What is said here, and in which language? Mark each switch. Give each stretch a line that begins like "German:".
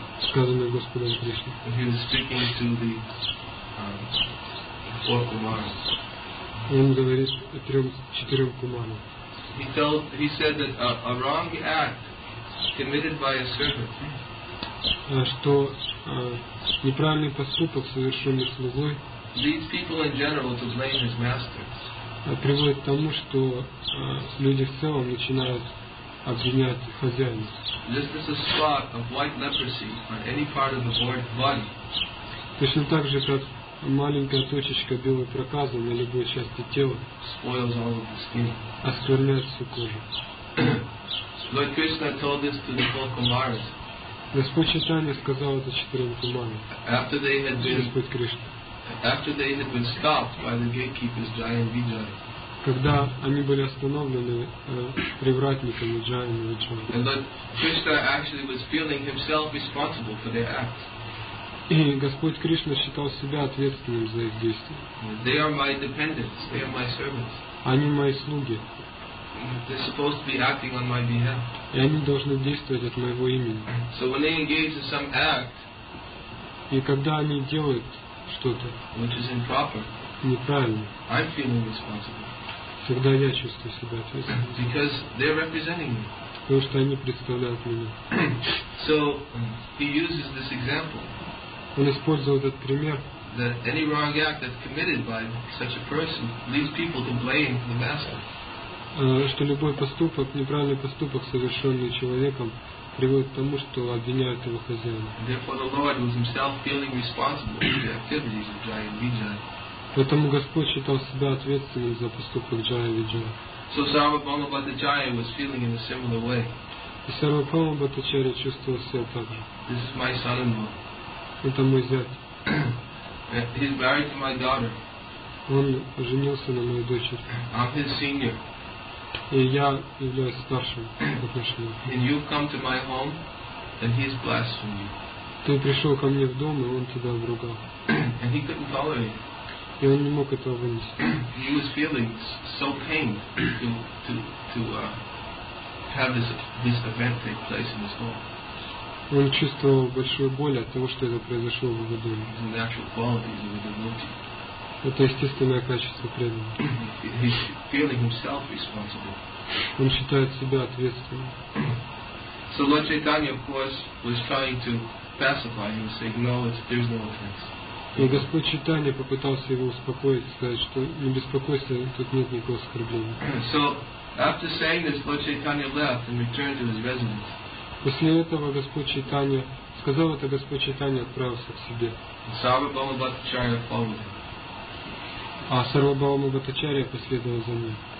Russian: сказанный Господом Кришной.
English: He is speaking to the four kumaras.
Russian: Он говорит о четырем кумарам.
English: He said that a wrong act committed by a servant.
Russian: Что неправильный поступок, совершенный слугой,
English: leads people in general to blame his master.
Russian: Приводит к тому, что люди в целом начинают обвинять хозяина.
English: Just as a spot of white leprosy on any part of the body.
Russian: Точно так же, как маленькая точечка белой проказы на любой части тела
English: spoils all of the skin.
Russian: Оскверняет всю кожу.
English: Lord Krishna told this to the four kumaras.
Russian: Господь Чайтанья сказал это четырем кумарам.
English: After they had been
Russian: Господь Кришна.
English: After they had been stopped by the gatekeepers Jaya and Vijaya.
Russian: Когда они были остановлены привратниками Jaya and Vijaya.
English: And Lord Krishna actually was feeling himself responsible for their acts.
Russian: И Господь Кришна считал себя ответственным за их действия.
English: They are my dependents. They are my servants.
Russian: Они мои слуги.
English: They're supposed to be acting on my behalf.
Russian: И они должны действовать от моего имени.
English: So when they engage in some act.
Russian: И когда они делают что-то,
English: which is improper.
Russian: Неправильно.
English: I'm feeling responsible.
Russian: Всегда я чувствую себя ответственным.
English: Because they're representing me.
Russian: Потому что они представляют меня.
English: So he uses this example.
Russian: Он использовал этот пример.
English: That any wrong act that's committed by such a person leads people to blame the master.
Russian: Что любой поступок, неправильный поступок, совершенный человеком, приводит к тому, что обвиняют его хозяина. Поэтому Господь считал себя ответственным за поступок Джая Виджая.
English: So Sarvabhauma Bhattacharya was feeling in a similar way.
Russian: И Сарвабхаума Бхаттачарья чувствовал себя так же.
English: This is my son-in-law.
Russian: Это мой зять.
English: He's married to my daughter.
Russian: Он женился на моей дочери.
English: I'm his senior.
Russian: И я являюсь старшим в отношении.
English: And you've come to my home, and he's blasphemed you.
Russian: Ты пришел ко мне в дом, и он тебя обругал.
English: And he couldn't tolerate it.
Russian: И он не мог этого вынести.
English: He was feeling so pained to have this event take place in his home.
Russian: Он чувствовал большую боль от того, что это произошло в его доме.
English: The natural qualities of the devotee.
Russian: Это естественное качество преданного.
English: He's feeling himself responsible.
Russian: Он считает себя ответственным.
English: So Lord Chaitanya, of course, was trying to pacify him, saying, "No, there's no offense."
Russian: И Господь Чайтанья попытался его успокоить, сказать, что не беспокойся, тут нет никакого оскорбления.
English: So, after saying this, Lord Chaitanya left and returned to his residence.
Russian: После этого Господь Чайтанья сказал это, Господь Чайтанья отправился к себе.
English: Sarvabhauma Bhattacharya followed him.
Russian: А Сарвабхаума Бхаттачарья последовал за ним.